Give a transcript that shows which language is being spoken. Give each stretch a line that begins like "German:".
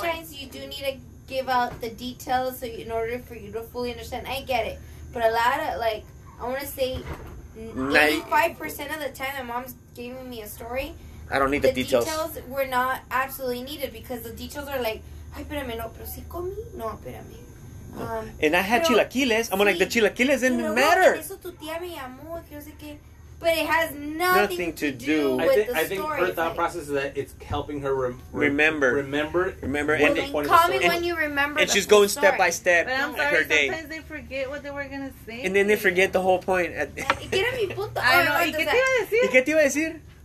English: Sometimes you do need to give out the details so in order for you to fully understand. I get it. But a lot of like, I want to say, 85% of the time that mom's giving me a story, I don't need the details. The details were not absolutely needed because the details are like,
Spanish: ay, espérame, no, pero si comí, no, espérame.
English: And I had chilaquiles. I'm like, the chilaquiles didn't matter.
Spanish: Eso tu tía me llamó, que no sé qué.
English: But it has nothing to do with the story. I think her thought process is that it's helping her remember. And call me when you remember. And she's going step by step her day. But I'm sorry, sometimes they forget what they were going to say. And then they forget the whole point.
Spanish: ¿Qué era mi punto?
English: I know.
Spanish: ¿Y qué te iba a decir?